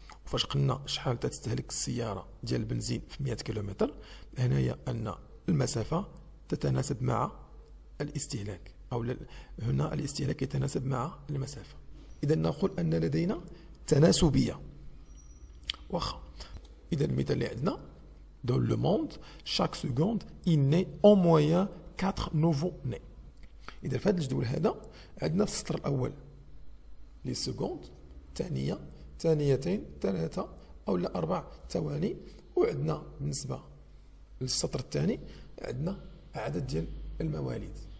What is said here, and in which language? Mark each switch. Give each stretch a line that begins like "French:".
Arabic: وفاش قلنا شحال تتستهلك السيارة ديال البنزين في 100 كيلومتر، هنايا أن المسافة تتناسب مع الاستهلاك، أو هنا الاستهلاك يتناسب مع المسافة. إذا نقول أن لدينا تناسبية. واخا، إذا المثال اللي عندنا:
French: Dans le monde, chaque seconde, il naît en moyen 4 nouveaux nés. Et dans le cas
Arabic: هذا عندنا السطر الاول لي سكوند، ثانيه، ثانيتين، ثلاثه او لا اربع ثواني، وعندنا بالنسبه للسطر الثاني عندنا عدد ديال المواليد.